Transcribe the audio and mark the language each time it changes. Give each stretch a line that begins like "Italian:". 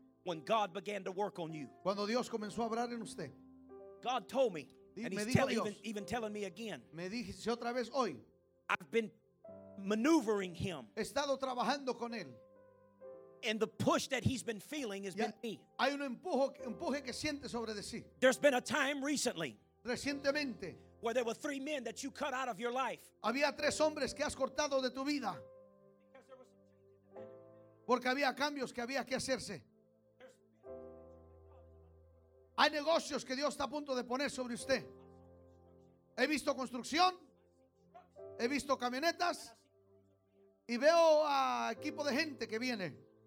English: when God began to work on you,
Spanish: cuando Dios comenzó a hablar en usted,
English: God told me,
Spanish: y
English: and
Spanish: me
English: he's
Spanish: dijo Dios,
English: even telling me again,
Spanish: me dice otra vez hoy,
English: I've been maneuvering him.
Spanish: He estado trabajando con él.
English: And the push that he's been feeling has been me.
Spanish: Hay un empuje que siente sobre de sí.
English: There's been a time recently,
Spanish: recientemente,
English: where there were three men that you cut out of your life.
Spanish: Había tres hombres que has cortado de tu vida. Porque había cambios que había que hacerse. Hay negocios que Dios está a punto de poner sobre usted. He visto construcción. He visto camionetas. Y veo a equipo de gente que viene.